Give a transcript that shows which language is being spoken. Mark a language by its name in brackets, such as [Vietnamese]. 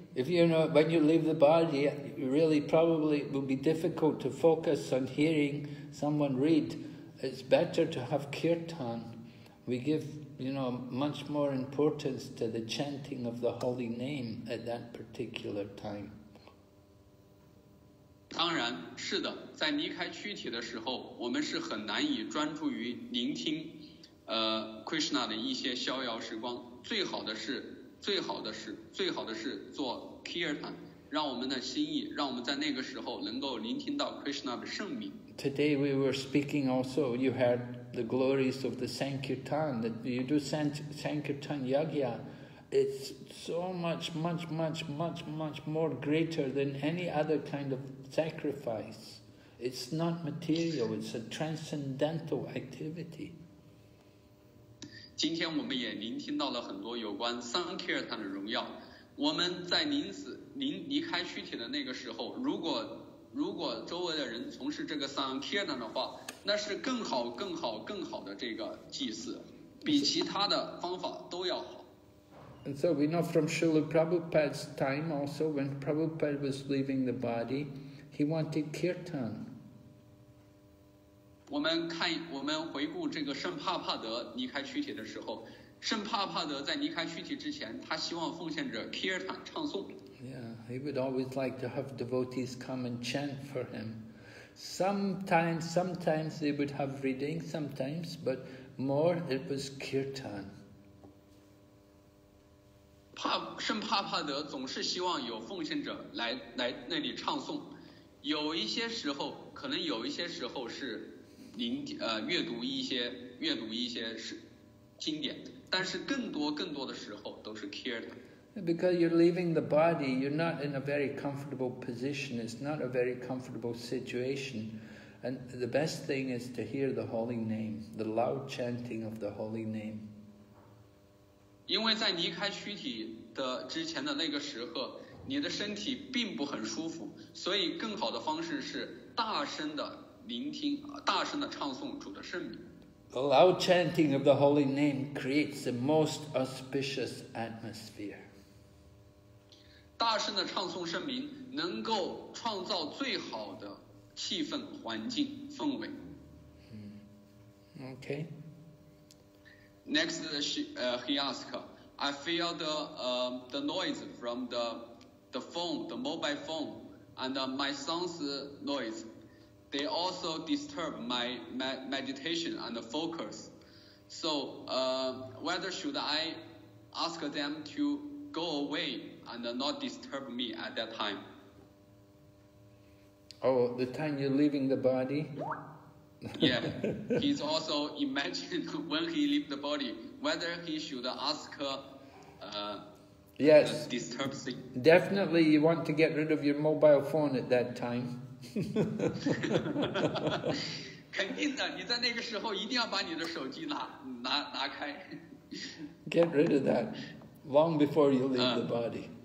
[English] If you know, when you leave the body, really probably it will be difficult to focus on hearing someone read. It's better to have kirtan. We give, you know, much more importance to the chanting of the holy name at that particular time. [Chinese] 当然，是的，在离开躯体的时候，我们是很难以专注于聆听，Krishna 的一些逍遥时光。最好的是做 kirtan， 让我们的心意，让我们在那个时候能够聆听到 Krishna 的圣名。 [English] Today we were speaking also, you heard the glories of the Sankirtan, that you do Sankirtan Yagya. It's so much, much, much, much, much more greater than any other kind of sacrifice. It's not material, it's a transcendental activity. [Chinese] 今天我们也聆听到了很多有关 Sankirtan 的荣耀。我们在临死临离开躯体的那个时候，如果周围的人从事这个 Sankirtan 的话，那是更好更好更好的这个祭祀，比其他的方法都要好。 [English] And so we know from Srila Prabhupada's time also, when Prabhupada was leaving the body, he wanted kirtan. [Chinese] 我们回顾这个圣帕帕德离开躯体的时候，圣帕帕德在离开躯体之前，他希望奉献着 kirtan 唱诵。 [English] Yeah, he would always like to have devotees come and chant for him. Sometimes they would have reading, sometimes, but more it was kirtan. [Chinese] 圣帕帕德总是希望有奉献者来那里唱诵，有一些时候可能有一些时候是阅读一些是经典，但是更多更多的时候都是 kirtan。 [English] Because you're leaving the body, you're not in a very comfortable position. It's not a very comfortable situation. And the best thing is to hear the holy name, the loud chanting of the holy name. [Chinese] 因为在离开躯体的之前的那个时刻，你的身体并不很舒服，所以更好的方式是大声的聆听，大声的唱诵主的圣名。 [English] The loud chanting of the holy name creates the most auspicious atmosphere. [Chinese] 大声的唱诵圣名能够创造最好的气氛环境氛围。 [English] Okay. Next, he asked, I feel the noise from the phone, the mobile phone, and my son's noise. They also disturb my meditation and focus. So, whether should I ask them to go away? And not disturb me at that time. Oh, the time you're leaving the body? Yeah. He's also imagined when he leave the body, whether he should ask her, yes, disturb me. Definitely you want to get rid of your mobile phone at that time. [Chinese] 肯定的，你在那个时候一定要把你的手机拿开。 [English] Get rid of that long before you leave the body.